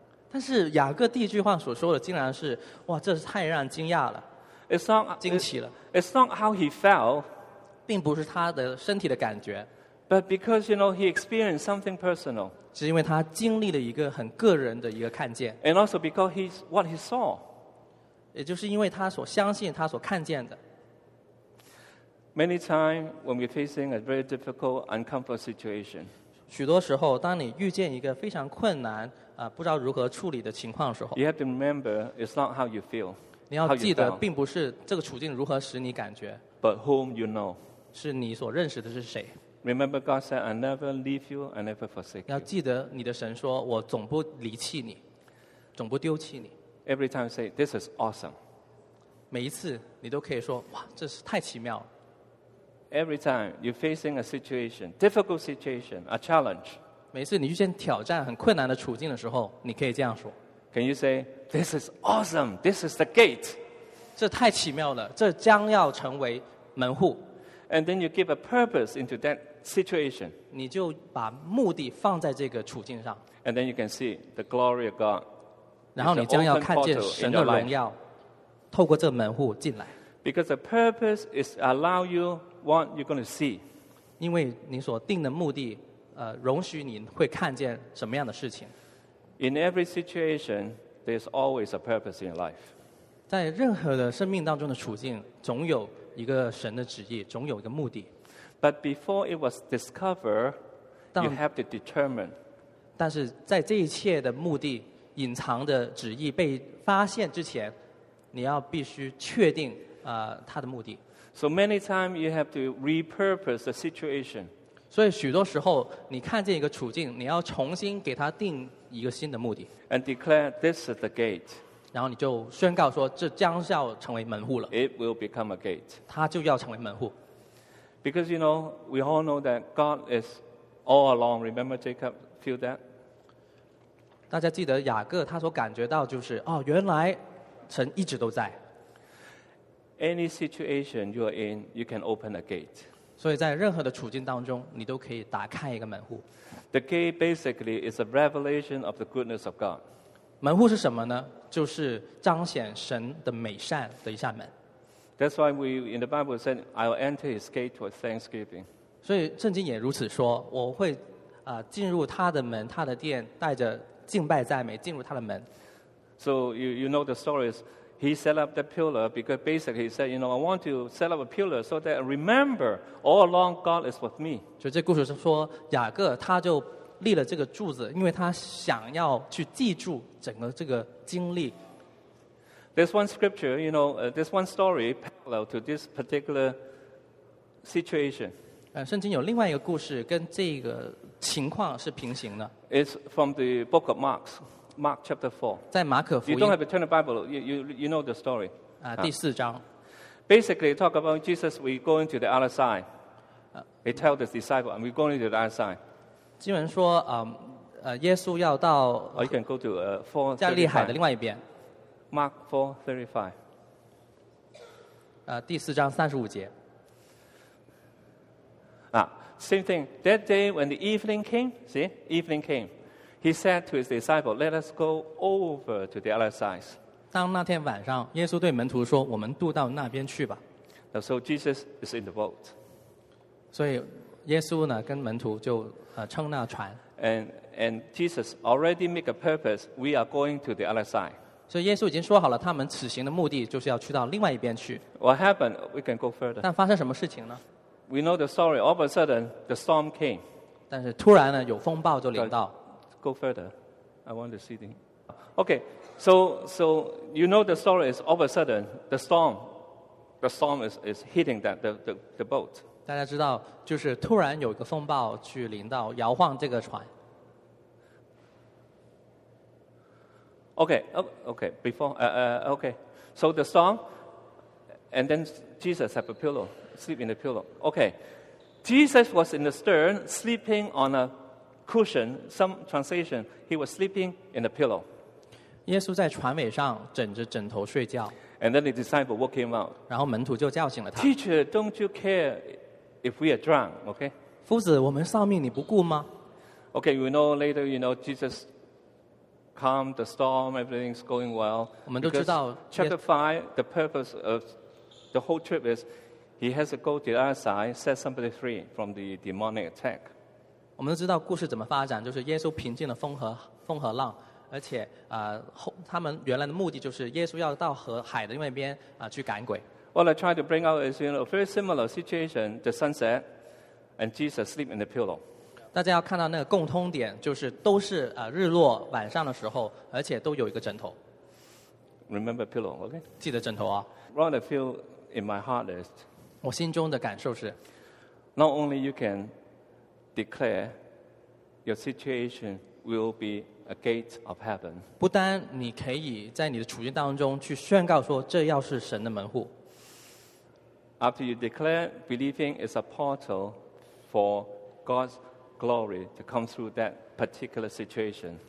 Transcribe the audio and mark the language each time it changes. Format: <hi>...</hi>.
<zh>但是雅各第一句话所说的竟然是，哇，这是太让惊讶了。</zh> <en>It's not</en> <zh>惊奇了。</zh> <en>It's not how he felt,</en> <zh>并不是他的身体的感觉。</zh> <en>But because you know he experienced something personal,</en> <zh>是因为他经历了一个很个人的一个看见。</zh> <en>And also because he's what he saw,</en> <zh>也就是因为他所相信他所看见的。</zh> <en>Many times when we're facing a very difficult, uncomfortable situation.</en> <zh>许多时候，当你遇见一个非常困难，不知道如何处理的情况的时候，</zh> <en>you have to remember it's not how you feel,</en> <zh>你要记得，并不是这个处境如何使你感觉，</zh> <en>but whom you know,</en> <zh>是你所认识的是谁。</zh> <en>Remember, God said, "I never leave you, I never forsake you."</en> <zh>要记得，你的神说，我总不离弃你，总不丢弃你。</zh> <en>Every time, say, "This is awesome."</en> <zh>每一次，你都可以说，哇，这是太奇妙了。</zh> <en>Every time you're facing a situation, difficult situation, a challenge.</en> <zh>每次你遇见挑战很困难的处境的时候，你可以这样说。</zh> <en>Can you say, "This is awesome. This is the gate."</en> <zh>这太奇妙了，这将要成为门户。</zh> <en>And then you give a purpose into that situation.</en> <zh>你就把目的放在这个处境上。</zh> <en>And then you can see the glory of God.</en> <zh>然后你将要看见神的荣耀，透过这门户进来。</zh> <en>Because the purpose is allow you. What you're going to see.</en> <zh>因为你所定的目的，容许你会看见什么样的事情。</zh> <en>In every situation, there's always a purpose in life.</en> <zh>在任何的生命当中的处境，总有一个神的旨意，总有一个目的。</zh> <en>But before it was discovered, you have to determine.</en> <zh>但是在这一切的目的，隐藏的旨意被发现之前，你要必须确定，它的目的。</zh> <en>So many times you have to repurpose the situation.</en> <zh>所以许多时候，你看见一个处境，你要重新给它定一个新的目的。</zh> <en>And declare this is the gate.</en> <zh>然后你就宣告说，这将要成为门户了。</zh> <en>It will become a gate.</en> <zh>它就要成为门户。</zh> <en>Because you know, we all know that God is all along. Remember Jacob, feel that?</en> <zh>大家记得雅各他所感觉到就是，哦，原来神一直都在。</zh> <en>Any situation you are in, you can open a gate.</en> <zh>所以在任何的处境当中，你都可以打开一个门户。</zh> <en>The gate basically is a revelation of the goodness of God.</en> <zh>门户是什么呢？就是彰显神的美善的一扇门。</zh> <en>That's why we in the Bible said, "I will enter His gate with thanksgiving."</en> <zh>所以圣经也如此说，我会进入他的门他的殿带着敬拜赞美进入他的门</zh> <en>So you know the stories He set up the pillar because basically he said You know I want to set up a pillar so that I remember All along God is with me</en> <zh>就这故事是说雅各他就立了这个柱子因为他想要去记住整个这个经历</zh> <en>There's one scripture you know there's one story parallel to this particular situation</en> <zh>圣经有另外一个故事跟这个情况是平行的</zh> <en>It's from the book of Mark Mark chapter 4</en> <zh>在马可福音</zh> <en>You don't have to turn the Bible you know the story</en> <zh>第四章</zh> <en>Basically talk about Jesus we go into the other side He tell the disciples and we go into the other side</en> <zh>经文说耶稣要到</zh> <en>Or you can go to 4:35</en> <zh>加利海的另外一边</zh> <en>Mark 4:35</en> <zh>第四章三十五节</zh> <en>Same thing. That day when the evening came, see, evening came, he said to his disciples, let us go over to the other side.</en> <zh>当那天晚上,耶稣对门徒说,我们渡到那边去吧。</zh> <en>Now, so Jesus is in the boat.</en> <zh>所以耶稣呢,跟门徒就撑那船。</zh> <en>And Jesus already make a purpose, we are going to the other side.</en> <zh>所以耶稣已经说好了,他们此行的目的就是要去到另外一边去。</zh> <en>What happened? We can go further.</en> <zh>但发生什么事情呢?</zh> <en>We know the story. All of a sudden, the storm came.</en> <zh>但是突然呢，有风暴就临到。</zh> <en>Go further. I want to see the. Okay. So you know the story is all of a sudden the storm is hitting that the boat.</en> <zh>大家知道，就是突然有一个风暴去临到，摇晃这个船。</zh> <en>Okay. Okay. So the storm, and then Jesus have a pillow. Sleep in the pillow. Okay. Jesus was in the stern, sleeping on a cushion. Some translation, he was sleeping in the pillow.</en> <zh>耶稣在船尾上枕着枕头睡觉。</zh> <en>And then the disciple woke him up.</en> <zh>然后门徒就叫醒了他。</zh> <en>Teacher, don't you care if we are drunk, okay?</en> <zh>夫子,我们丧命你不顾吗?</zh> <en>Okay, you know later, you know, Jesus calmed the storm, everything's going well.</en> <zh>我们都知道。</zh> <en>Chapter 5, the purpose of the whole trip is,He has to go to the other side, set somebody free from the demonic attack.</en> <zh>我们都知道故事怎么发展，就是耶稣平静了风和浪，而且他们原来的目的就是耶稣要到河海的另外一边去赶鬼。</zh> <en>What I try to bring out is, you know, a very similar situation: the sunset and Jesus sleep in the pillow.</en> <zh>大家要看到那个共通点，就是都是日落晚上的时候，而且都有一个枕头。</zh> <en>Remember pillow, okay?</en> <zh>记得枕头啊。</zh> <en>What I feel in my heart is.</en> <zh>我心中的感受是</zh> <en>Not only you can declare your situation will be a gate of heaven</en> <zh>不单你可以在你的处境当中去宣告说这要是神的门户</zh> <en>After you declare believing is a portal for God's glory to come through that particular situation</en>